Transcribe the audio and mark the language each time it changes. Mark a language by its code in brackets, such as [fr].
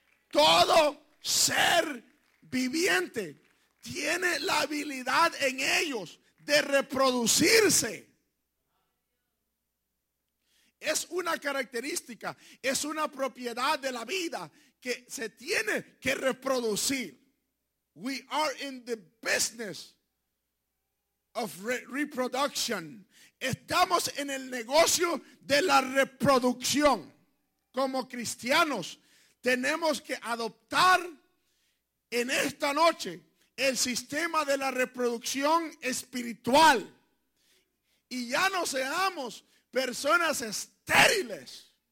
[es] Todo ser viviente tiene la habilidad en ellos de reproducirse. Es una característica, es una propiedad de la vida que se tiene que reproducir. [en] We are in the business of reproduction. [es] Estamos en el negocio de la reproducción. Como cristianos, tenemos que adoptar en esta noche el sistema de la reproducción espiritual. Y ya no seamos personas estériles.